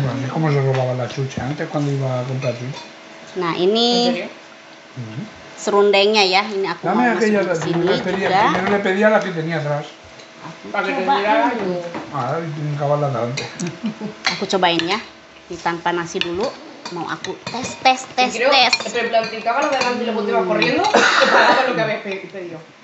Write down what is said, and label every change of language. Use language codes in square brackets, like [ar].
[es] ¿Cómo se robaba la chucha antes cuando iba a comprar chucha? [id] Nah, ini serundengnya ya. Ini aku mau masuk ke sini juga. [es] Yo le pedía la que tenía atrás. Para que te mirara. Ah, tengo que [id] aku cobain ya. Ini tanpa nasi dulu. Mau aku tes tes tes tes. [es] Pero lo que habías pedido.